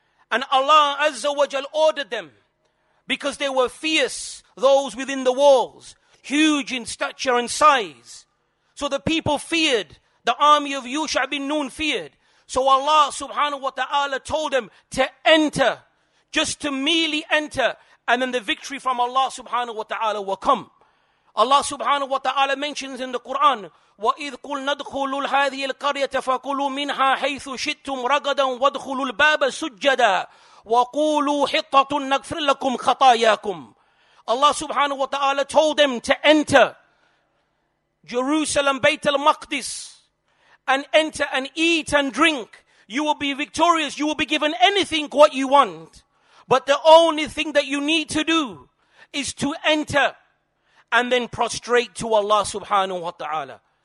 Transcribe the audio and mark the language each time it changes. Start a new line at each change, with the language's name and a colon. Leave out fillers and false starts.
English: And Allah azza wa jal ordered them, because they were fierce, those within the walls, huge in stature and size. So the people feared, the army of Yusha bin Nun feared. So Allah subhanahu wa ta'ala told them to enter, just to merely enter, and then the victory from Allah subhanahu wa ta'ala will come.
Arabic: Allah subhanahu wa ta'ala mentions in the Quran, وَإِذْ قُلْنَا ادْخُلُوا هَذِهِ الْقَرْيَةَ فَكُلُوا مِنْهَا حَيْثُ شِئْتُمْ رَغَدًا وَادْخُلُوا الْبَابَ سُجَّدًا وَقُولُوا حِطَّةٌ نَغْفِرْ لَكُمْ خَطَايَاكُمْ.
English: Allah subhanahu wa ta'ala told them to enter Jerusalem, Bayt al-Maqdis, and enter and eat and drink. You will be victorious. You will be given anything what you want. But the only thing that you need to do is to enter and then prostrate to Allah subhanahu wa ta'ala.